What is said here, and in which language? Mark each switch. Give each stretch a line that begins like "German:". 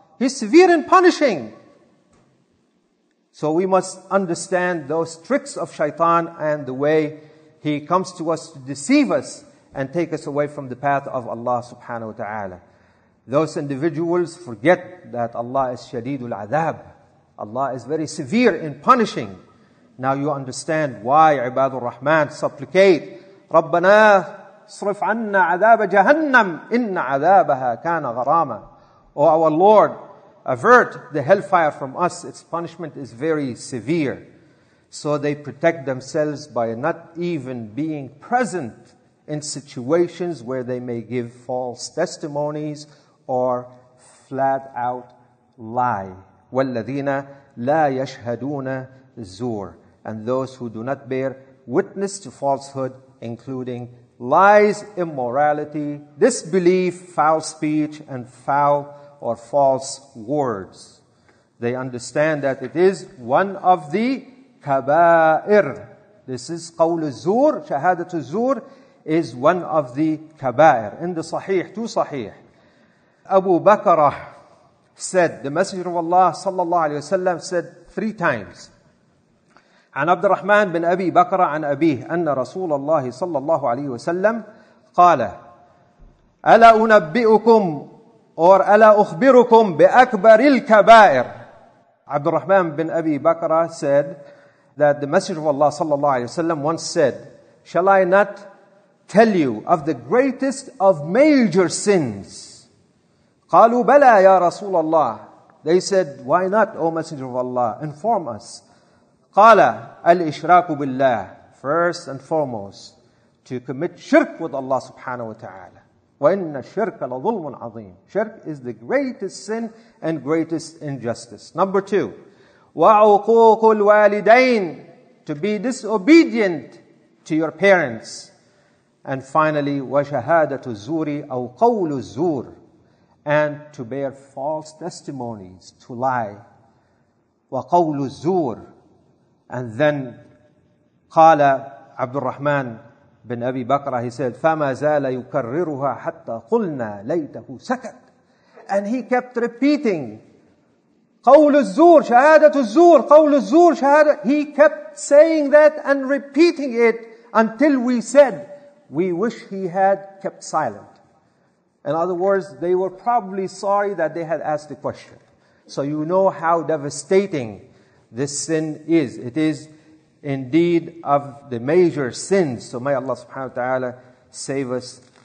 English: He's severe in punishing. So we must understand those tricks of shaitan and the way he comes to us to deceive us and take us away from the path of Allah subhanahu wa ta'ala. Those individuals forget that Allah is
Arabic: شَدِيدُ الْعَذَابِ.
English: Allah is very severe in punishing. Now you understand why Ibadur Rahman supplicate,
Arabic: رَبَّنَا صْرِفْ عَنَّا عَذَابَ جَهَنَّمْ إِنَّ عَذَابَهَا كَانَ غَرَامًا.
English: O our Lord, avert the hellfire from us. Its punishment is very severe. So they protect themselves by not even being present in situations where they may give false testimonies or flat out lie.
Arabic: وَالَّذِينَ لَا يَشْهَدُونَ الزُّورِ.
English: And those who do not bear witness to falsehood, including lies, immorality, disbelief, foul speech, and foul or false words. They understand that it is one of the kaba'ir. This is qawl al-zur, shahadat al-zur, is one of the kaba'ir. In the sahih, two sahih. Abu Bakrah said, the Messenger of Allah sallallahu alayhi wasallam said three times,
Arabic: عن عبد الرحمن بن أبي بكر عن أبيه أن رسول الله صلى الله عليه وسلم قال ألا أنبئكم or ألا أخبركم بأكبر الكبائر.
English: عبد الرحمن بن أبي بكر said that the Messenger of Allah
Arabic: صلى الله عليه وسلم
English: once said, shall I not tell you of the greatest of major sins?
Arabic: قالوا بلى يا رسول الله.
English: They said, why not, O Messenger of Allah, inform us.
Arabic: قال الإشراك بالله.
English: First and foremost, to commit shirk with Allah subhanahu wa ta'ala.
Arabic: وَإِنَّ الشِّرْكَ لَظُلْمٌ عَظِيمٌ.
English: Shirk is the greatest sin and greatest injustice. Number two,
Arabic: وَعُقُوقُ الْوَالِدَيْنِ.
English: To be disobedient to your parents. And finally,
Arabic: وَشَهَادَةُ الزُّورِ أَوْ قَوْلُ الزُّورِ.
English: And to bear false testimonies, to lie.
Arabic: وَقَوْلُ الزُّورِ.
English: And then,
Arabic: قال عبد الرحمن بن أبي بكر,
English: he said,
Arabic: فما زال يكررها حتى قلنا ليته سكت.
English: And he kept repeating,
Arabic: قول الزور, شهادة الزور, قول الزور, شهادة.
English: He kept saying that and repeating it until we said, we wish he had kept silent. In other words, they were probably sorry that they had asked the question. So you know how devastating this sin is. It is indeed of the major sins. So may Allah subhanahu wa ta'ala save us